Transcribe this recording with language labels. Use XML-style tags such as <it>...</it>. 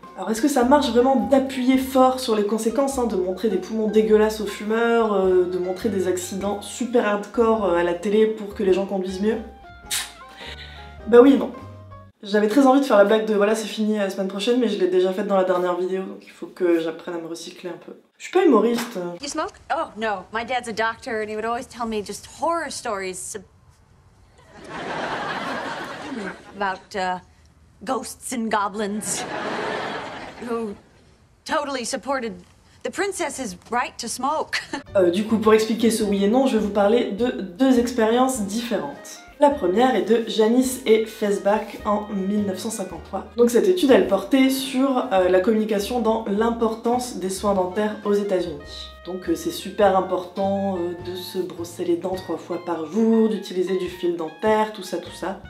<fr>Alors, est-ce que ça marche vraiment d'appuyer fort sur les conséquences, hein, de montrer des poumons dégueulasses aux fumeurs, de montrer des accidents super hardcore à la télé pour que les gens conduisent mieux? Bah oui, non. J'avais très envie de faire la blague de « voilà, c'est fini, à la semaine prochaine », mais je l'ai déjà faite dans la dernière vidéo, donc il faut que j'apprenne à me recycler un peu. Je suis pas humoriste.</fr> <en>You smoke? Oh, no. My dad's a doctor, and he would always tell me just horror stories. About, ghosts and goblins. Who totally supported the princess's right to smoke.</en> <fr>Du coup, pour expliquer ce oui et non, je vais vous parler de deux expériences différentes. La première est de Janice et Fesbach en 1953. Donc cette étude, elle portait sur la communication dans l'importance des soins dentaires aux États-Unis. Donc c'est super important de se brosser les dents 3 fois par jour, d'utiliser du fil dentaire, tout ça, tout ça.</fr>